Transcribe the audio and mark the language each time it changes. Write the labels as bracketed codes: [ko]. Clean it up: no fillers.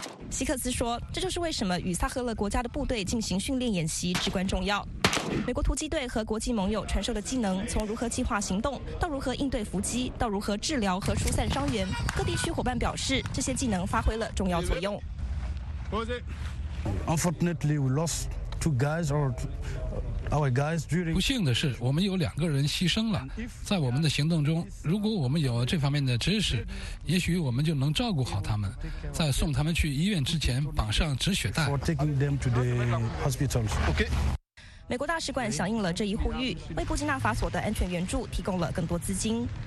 [zh] 希克斯说，这就是为什么与萨赫勒国家的部队进行训练演习至关重要。美国突击队和国际盟友传授的技能，从如何计划行动，到如何应对伏击，到如何治疗和疏散伤员，各地区伙伴表示，这些技能发挥了重要作用。 [en] Unfortunately, we lost two guys or our guys during. [zh] 不幸的是，我们有两个人牺牲了。在我们的行动中，如果我们有这方面的知识，也许我们就能照顾好他们，在送他们去医院之前绑上止血带。 [en] For taking them to the hospitals. Okay. [zh] 美国大使馆响应了这一呼吁，为布基纳法索的安全援助提供了更多资金。